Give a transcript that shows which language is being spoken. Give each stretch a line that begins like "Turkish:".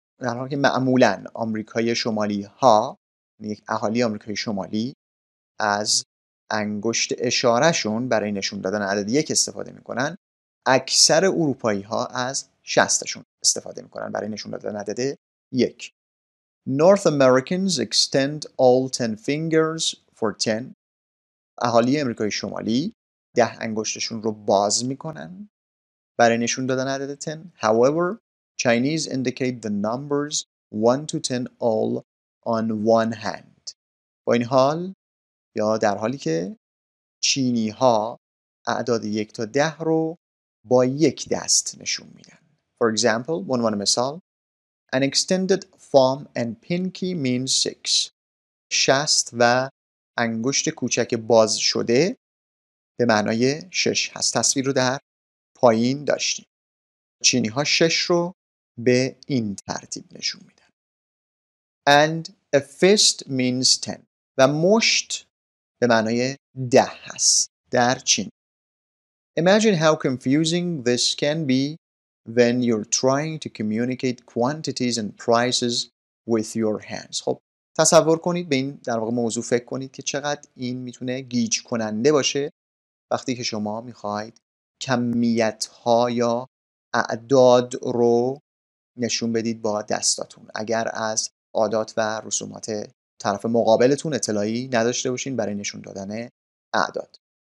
Persian: در حالی که معمولاً آمریکای شمالی ها، یعنی اهالی آمریکای شمالی، از انگشت اشارهشون برای نشون دادن عدد یک استفاده می کنن، اکثر اروپایی ها از شستشون استفاده می کنن برای نشون دادن عدد یک.
English: North Americans extend all 10 fingers for 10.
Persian: اهالی امریکای شمالی 10 انگشتشون رو باز میکنن برای نشون دادن عدد 10.
English: However, Chinese indicate the numbers 1 to 10 all on one hand.
Persian: با این حال یا در حالی که چینی ها اعداد 1 تا 10 رو با یک دست نشون میدن.
English: For example,
Persian: به عنوان مثال،
English: an extended thumb and pinky means 6.
Persian: شست و انگشت کوچک باز شده به معنای 6 هست. تصویر رو در پایین داشتیم. چینی ها 6 رو به این ترتیب نشون میدن.
English: And a fist means 10.
Persian: و مشت به معنای 10 هست در چین.
English: Imagine how confusing this can be when you're trying to communicate quantities and prices with your hands.
Persian: خب تصور کنید، به این در واقع موضوع فکر کنید که چقدر این میتونه گیج کننده باشه وقتی که شما میخواید کمیت ها یا اعداد رو نشون بدید با دستاتون، اگر از عادات و رسومات طرف مقابلتون اطلاعی نداشته باشین برای نشون دادن اعداد.